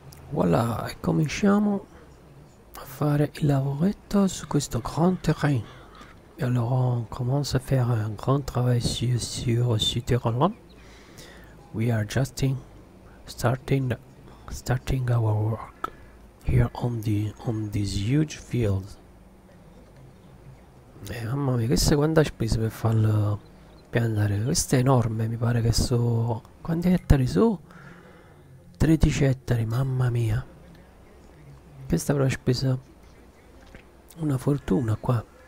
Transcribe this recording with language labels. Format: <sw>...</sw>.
<it>Voilà, e cominciamo a fare il lavoretto su questo</it> <fr>grand terrain.</fr> <it>E allora,</it> <fr>on commence a faire un grand travail sur ce terrain-là.</fr> <en>We are just starting our work here on this huge field.</en> <it>Mamma mia, questa quanta spesa per farlo piantare? Questo è enorme, mi pare che so. Quanti ettari su? 13 ettari, mamma mia. Questa avrà speso una fortuna qua.</it>